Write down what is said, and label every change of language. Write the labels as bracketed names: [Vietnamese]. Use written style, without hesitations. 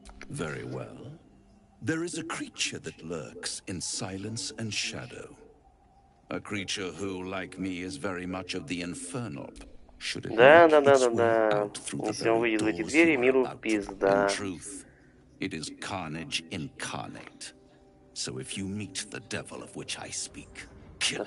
[English] Very well. There is a creature that lurks in silence and shadow. A creature who, like me, is very much of the infernal. Should it [Russian] да. Если он выйдет в эти двери, миру пизда. [English] In truth, it is carnage incarnate. So if you meet the devil of which I speak, kill